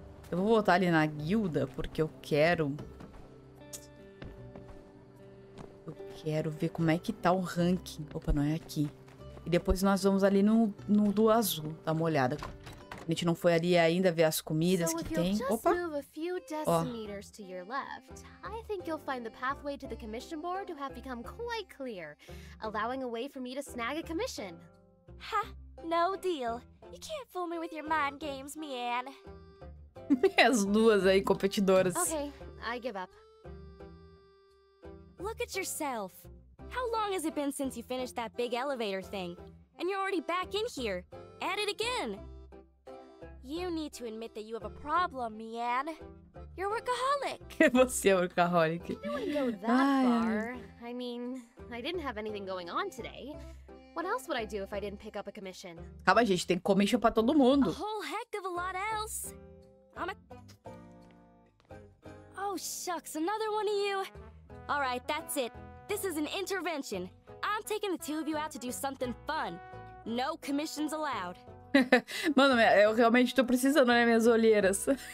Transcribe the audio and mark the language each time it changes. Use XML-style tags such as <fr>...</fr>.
<pt>Eu vou voltar ali na guilda, porque eu quero... eu quero ver como é que tá o ranking. Opa, não é aqui. E depois nós vamos ali no do azul, dar uma olhada. A gente não foi ali ainda ver as comidas que tem. Opa!</pt> <en>Ha! No deal! You can't fool me with your mind games, Mian!</en> <pt>As duas aí competidoras.</pt> <en>Okay, I give up. Look at yourself. How long has it been since you finished that big elevator thing? And you're already back in here. At it again. You need to admit that you have a problem, Mian. You're a workaholic.</en> <pt>Você é workaholic.</pt> <en>You wouldn't go that far. I mean, I didn't have anything going on today. What else would I do if I didn't pick up a commission?</en> <pt>Calma, gente, tem commission pra todo mundo.</pt> <en>A whole heck of a lot else. I'm a... Oh, shucks, another one of you. All right, that's it. This is an intervention. I'm taking the two of you out to do something fun. No commissions allowed.</en> <pt>Mano, eu realmente tô precisando, né, minhas olheiras.</pt>